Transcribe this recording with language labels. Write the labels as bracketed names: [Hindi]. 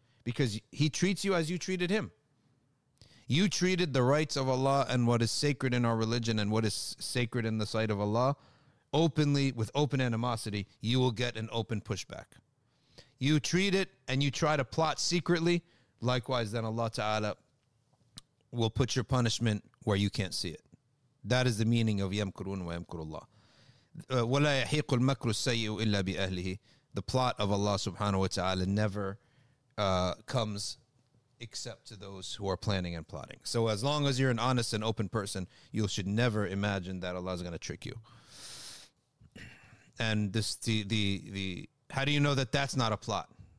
[English] Because he treats you as you treated him. You treated the rights of Allah and what is sacred in our religion and what is sacred in the sight of Allah openly, with open animosity, you will get an open pushback. You treat it and you try to plot secretly, likewise then Allah Ta'ala will put your punishment where you can't see it. That is the meaning of [Arabic] يَمْكُرُونَ وَيَمْكُرُ اللَّهِ وَلَا يَحِيقُ الْمَكْرُ السَّيِّئُ إِلَّا بِأَهْلِهِ. [English] The plot of Allah Subhanahu Wa Ta'ala never comes except to those who are planning and plotting. So as long as you're an honest and open person, you should never imagine that Allah is going to trick you. And this, the how do you know that that's not a plot?